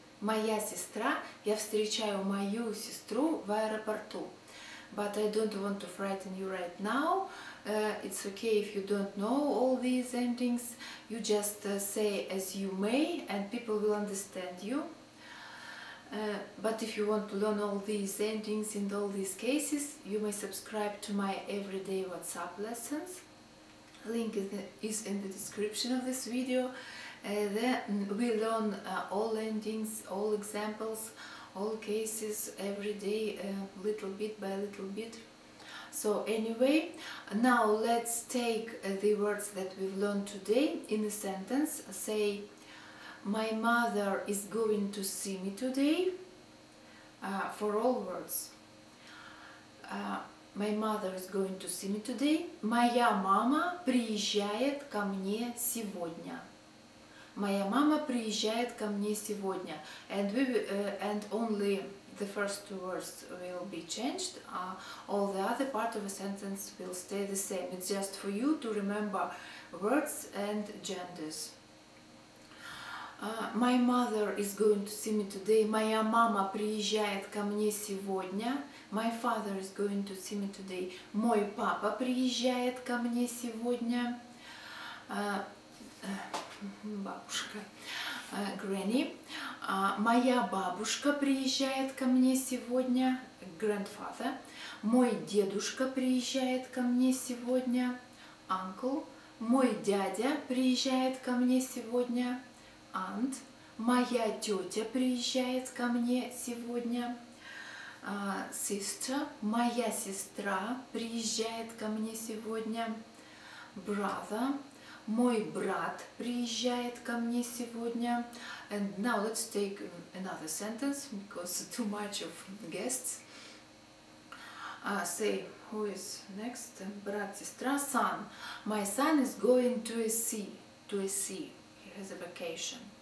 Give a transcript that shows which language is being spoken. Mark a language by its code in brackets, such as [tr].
[ru] Моя сестра, я встречаю мою сестру в аэропорту. [en] But I don't want to frighten you right now. It's okay if you don't know all these endings. You just say as you may and people will understand you. But if you want to learn all these endings in all these cases, you may subscribe to my everyday WhatsApp lessons. Link is in the description of this video. Then we learn all endings, all examples, all cases every day, little bit by little bit. So anyway, now let's take the words that we've learned today in a sentence. Say, my mother is going to see me today. For all words, my mother is going to see me today. [ru] Моя мама приезжает ко мне сегодня. Моя мама приезжает ко мне сегодня. [en] And we and only the first two words will be changed. All the other part of a sentence will stay the same. It's just for you to remember words and genders. My mother is going to see me today. [ru] Моя мама приезжает ко мне сегодня. [en] My father is going to see me today. [ru] Мой папа приезжает ко мне сегодня. Бабушка, гранни. Моя бабушка приезжает ко мне сегодня. [en] Grandfather. [ru] Мой дедушка приезжает ко мне сегодня. [en] Uncle. [ru] Мой дядя приезжает ко мне сегодня. [en] Aunt. [ru] Моя тетя приезжает ко мне сегодня. [en] Sister. [ru] Моя сестра приезжает ко мне сегодня. [en] Brother. [ru] Мой брат приезжает ко мне сегодня. [en] And now let's take another sentence because too much of guests. Say, who is next? [ru] Брат, сестра, [en] son. My son is going to a sea. To a sea. He has a vacation.